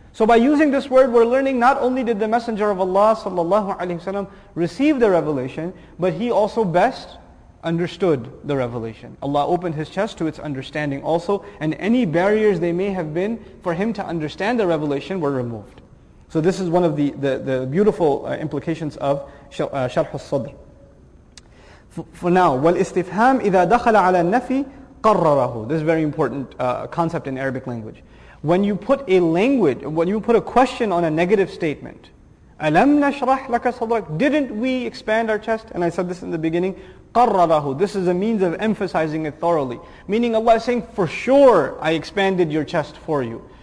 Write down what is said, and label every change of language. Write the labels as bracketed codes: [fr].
[en] So by using this word, we're learning not only did the Messenger of Allah sallallahu alaihi wasallam receive the revelation, but he also best understood the revelation. Allah opened his chest to its understanding also, and any barriers they may have been for him to understand the revelation were removed. So this is one of the beautiful implications of [ar] شرح الصدر. [en] For now, [ar] والاستفهام إذا دخل على النفي قرره. [en] This is a very important concept in Arabic language. When you put a question on a negative statement, [ar] أَلَمْ نَشْرَحْ لَكَ صَدْرَكَ, [en] didn't we expand our chest? And I said this in the beginning, قَرَّرَهُ, this is a means of emphasizing it thoroughly. Meaning Allah is saying, for sure I expanded your chest for you.